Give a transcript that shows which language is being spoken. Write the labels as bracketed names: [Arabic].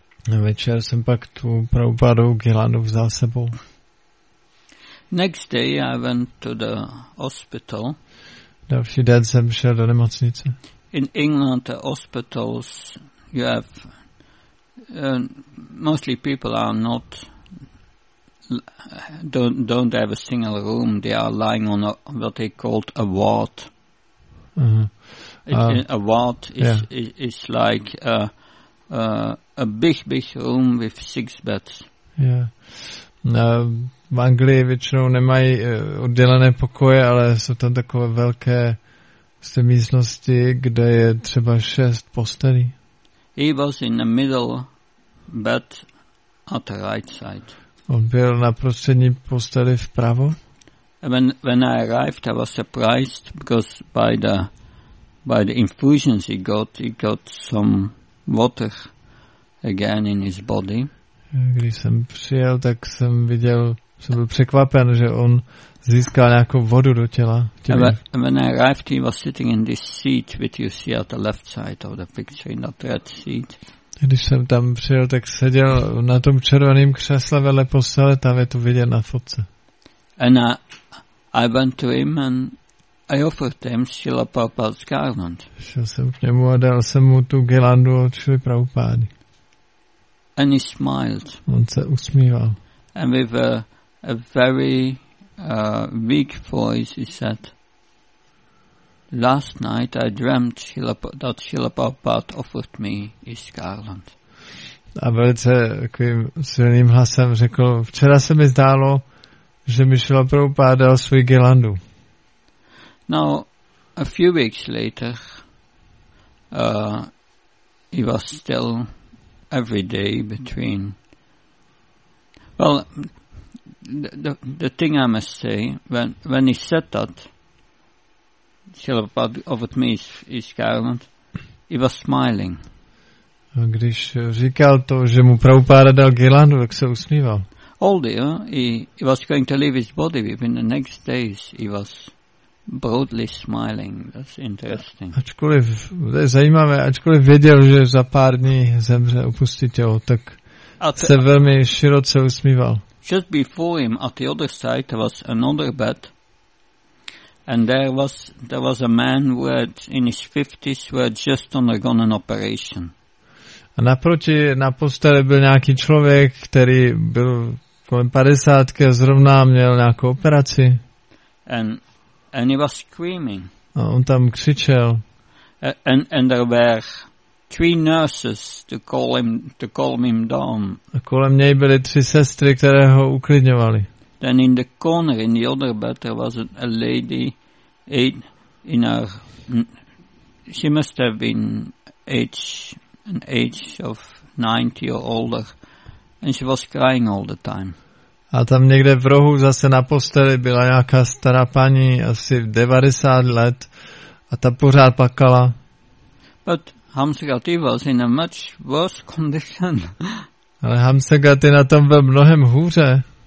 [Czech] Na večer jsem pak tu Prabhupádovu girlandu vzal sebou. [English] Next day I went to the hospital. [Czech] Další den jsem šel do nemocnice. [English] In England, the hospitals you have. Mostly people are not don't have a single room. They are lying on what they called a ward. A ward is like a big room with 6 beds. [Czech] Yeah. V Anglii většinou nemají oddělené pokoje, ale jsou tam takové velké místnosti, kde je třeba 6 postelí. [English] He was in the middle bed at the right side. [Czech] On byl na prostřední posteli vpravo. [English] When I arrived, I was surprised because by the infusions he got some water again in his body. [Czech] Když jsem přijel, tak jsem viděl, jsem byl překvapen, že on získal nějakou vodu do těla. [English] When I arrived, he was sitting in this seat which you see at the left side of the picture, in that red seat. [Czech] Když jsem tam přijel, tak seděl na tom červeném křesle vedle postele, tam je to vidět na fotce. [English] And I went to him and I offered him Srila Prabhupada's garland. [Czech] Šel jsem k němu a dal jsem mu tu girlandu od Srila Prabhupády. [English] And he smiled. [Czech] On se usmíval. [English] And with a very weak voice he said, last night I dreamt that Srila Prabhupada offered me his garland. [Czech] A velice takovým silným hlasem řekl, včera se mi zdálo, že mi Srila Prabhupada dal svůj girlandu. [English] Now, a few weeks later, he was still every day between. Well, the thing I must say, when he said that, Srila Prabhupada offered me his garland, he was smiling. [Czech] A když říkal to, že mu Prabhupada dal girlandu, tak se usmíval. [English] Although he was going to leave his body within the next days, he was broadly smiling. That's interesting. [Czech] Ačkoliv, to je zajímavé, ačkoliv věděl, že za pár dní zemře, opustí tělo, tak se velmi široce usmíval. [English] Just before him, at the other side, was another bed, and there was a man who had, in his 50s, who had just undergone an operation. [Czech] A naproti na posteli byl nějaký člověk, který byl kolem 50 a zrovna měl nějakou operaci. [English] And he was screaming. [Czech] A on tam křičel. [English] And there were three nurses to calm him down. [Czech] A kolem něj byly tři sestry, které ho uklidňovaly. [English] Then in the corner in the other bed there was a lady in her, she must have been an age of 90 or older, and she was crying all the time. [Czech] A tam někde v rohu zase na posteli byla nějaká stará paní asi 90 let a ta pořád plakala. [English] But Hamsagati was in a much worse condition. [Czech] Ale Hamsagati na tom byl mnohem hůře.